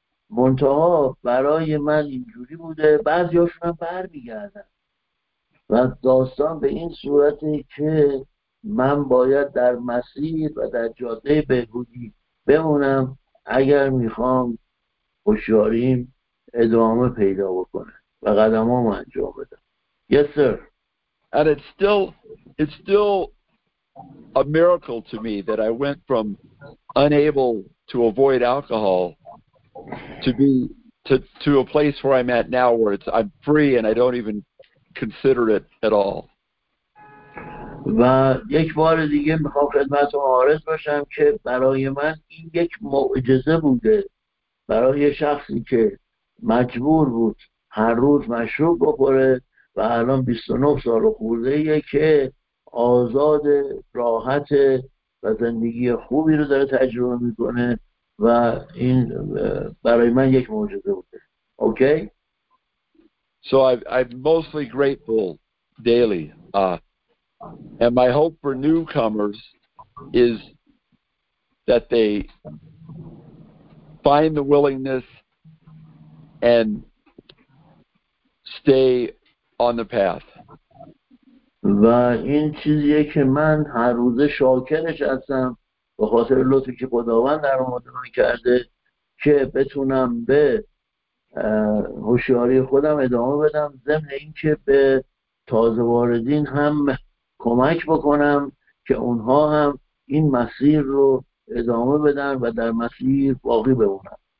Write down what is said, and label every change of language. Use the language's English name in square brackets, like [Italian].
[Persian] منتها برای من اینجوری بوده، بعضی هاشون هم بر میگردن و داستان به این صورته که من باید در مسیر و در جاده بهبودی بمونم اگر میخوام هوشیاریم ادامه پیدا بکنه و قدم هم انجام بدم. [English] Yes, sir. And it's still a miracle to me that I went from unable to avoid alcohol to a place where I'm at now where I'm free and I don't even consider it at all. [Persian] و یک بار دیگه میخوام خدمت رو عارض باشم که برای من این یک معجزه بوده، برای شخصی که مجبور بود هر روز مشروب بخوره و الان 29 سال خورده ایه که آزاد، راحت و زندگی خوبی رو داره تجربه میکنه و این برای من یک معجزه بوده. [English] Okay? So I'm mostly grateful daily. And my hope for newcomers is that they find the willingness and stay on the path. [Persian] و این چیزیه که من هر روز شاکرش هستم به خاطر لطفی که خداوند در مدام کرده که بتونم به هوشیاری خودم ادامه بدم، ضمن اینکه به تازه واردین هم کمک بکنم که اونها هم این مسیر رو ادامه بدن و در مسیر باقی بمونن.